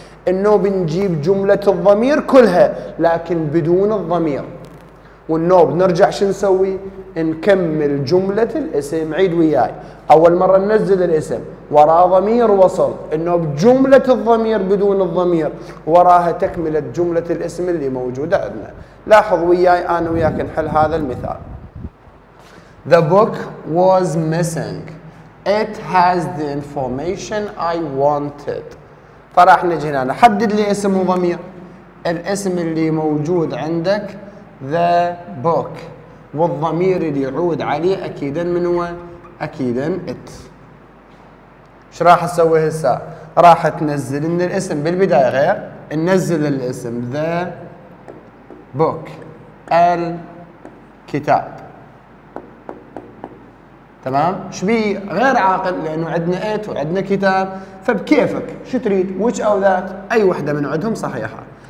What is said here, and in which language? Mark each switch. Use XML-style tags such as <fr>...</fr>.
<ar>إنه بنجيب جملة الضمير كلها لكن بدون الضمير، والنوب نرجع شو نسوي؟ نكمل جملة الاسم. عيد وياي، أول مرة ننزل الاسم وراء ضمير وصل، إنه بجملة الضمير بدون الضمير، وراها تكملة جملة الاسم اللي موجودة عندنا. لاحظ وياي أنا وياك نحل هذا المثال.</ar> <en>The book was missing. It has the information I wanted.</en> <ar>فراح نجي هنا نحدد لي اسم وضمير. الاسم اللي موجود عندك</ar> <en>the book،</en> <ar>والضمير اللي يعود عليه أكيدا من هو؟ أكيدا</ar> <en>it.</en> <ar>ايش راح اسوي هسا؟ راح تنزل من الاسم بالبداية، غير ننزل الاسم</ar> <en>the book،</en> <ar>الكتاب، تمام؟ شبي غير عاقل، لأنه عندنا إيت وعندنا كتاب، فبكيفك شو تريد؟</ar> <en>which</en> <ar>أو ذات؟ أي واحدة من عندهم صحيحة.</ar>